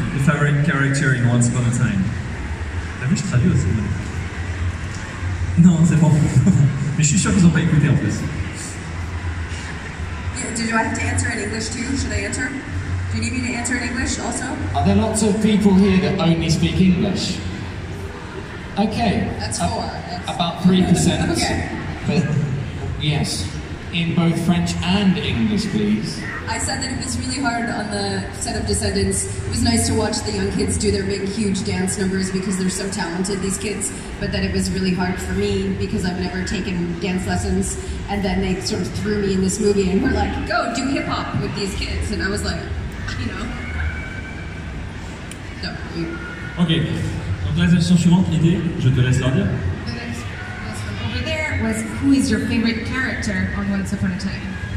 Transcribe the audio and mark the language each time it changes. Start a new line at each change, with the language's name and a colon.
English: The favorite character in Once Upon a Time.
French: T'as vu, je traduis aussi. Non, non c'est bon. Mais je suis sûr qu'ils n'ont pas écouté en plus.
English: Yeah, did you have to answer in English too? Should I answer? Do you need me to answer in English also? Are there lots of people here that only speak English? Okay. That's four. That's about 3%. Okay. But yes, in both French and English, please. I said that it was really hard on the set of Descendants. It was nice to watch the young kids do their big, huge dance numbers because they're so talented, these kids. But that it was really hard for me because I've never taken dance lessons. And then they sort of threw me in this movie and were like, go do hip hop with these kids. And I was like, you know. Okay.
French: Donc la question suivante, l'idée, je te laisse leur dire.
English: The next question over there was who is your favorite character on Once Upon a Time?